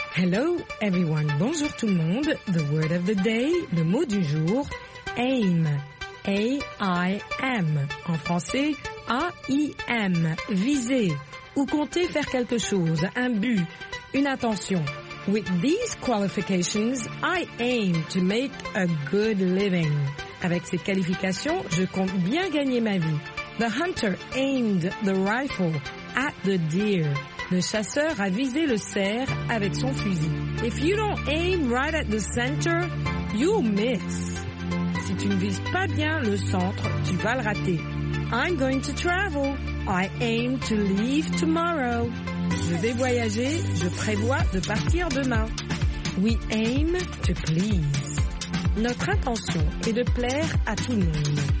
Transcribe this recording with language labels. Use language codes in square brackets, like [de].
[en] Hello, everyone. [fr] Bonjour tout le monde. [en] The word of the day, [fr] le mot du jour, [en] aim. [fr] A-I-M. En français, A-I-M. Viser. Ou compter faire quelque chose, un but, une attention. [en] With these qualifications, I aim to make a good living. [fr] Avec ces qualifications, je compte bien gagner ma vie. [en] The hunter aimed the rifle at the deer. [fr] Le chasseur a visé le cerf avec son fusil. [en] If you don't aim right at the center, you'll miss. [fr] Si tu ne vises pas bien le centre, tu vas le rater. [en] I'm going to travel. I aim to leave tomorrow. [fr] Je vais voyager. Je prévois de partir demain. [en] We aim to please. [fr] Notre intention est de plaire à tout le monde.